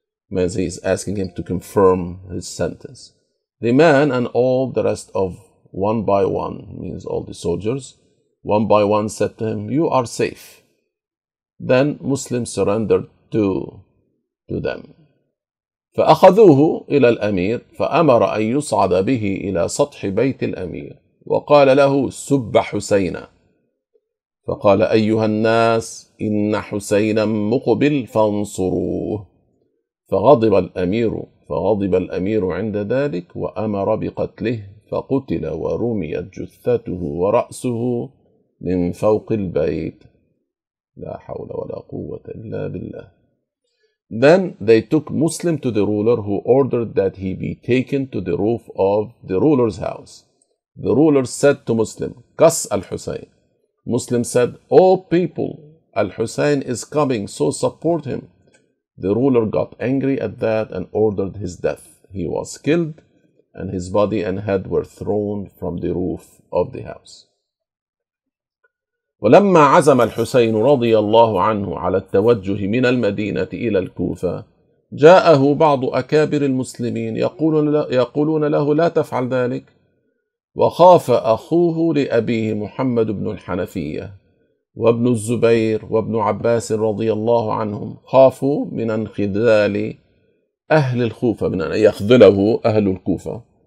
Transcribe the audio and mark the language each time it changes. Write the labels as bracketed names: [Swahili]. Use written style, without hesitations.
[English] Means he's asking him to confirm his sentence. The man and all the rest of one by one, means all the soldiers, one by one said to him, you are safe. Then Muslim surrendered to them. [Arabic] فأخذوه إلى الأمير فأمر أن يصعد به إلى سطح بيت الأمير وقال له سب حسينا فقال أيها الناس إن حسينا مقبل فانصروه فغضب الأمير عند ذلك وأمر بقتله فقتل ورميت جثته ورأسه من فوق البيت لا حول ولا قوة إلا بالله. [English] Then they took Muslim to the ruler, who ordered that he be taken to the roof of the ruler's house. The ruler said to Muslim, Qas al-Husayn. Muslim said, O people, al-Husayn is coming, so support him. The ruler got angry at that and ordered his death. He was killed and his body and head were thrown from the roof of the house. [Arabic] ولما عزم الحسين رضي الله عنه على التوجه من المدينة إلى الكوفة جاءه بعض أكابر المسلمين يقولون له لا تفعل ذلك وخاف أخوه لأبيه محمد بن الحنفية وابن الزبير وابن عباس رضي الله عنهم خافوا من انخذال أهل الكوفة من أن يخذله أهل الكوفة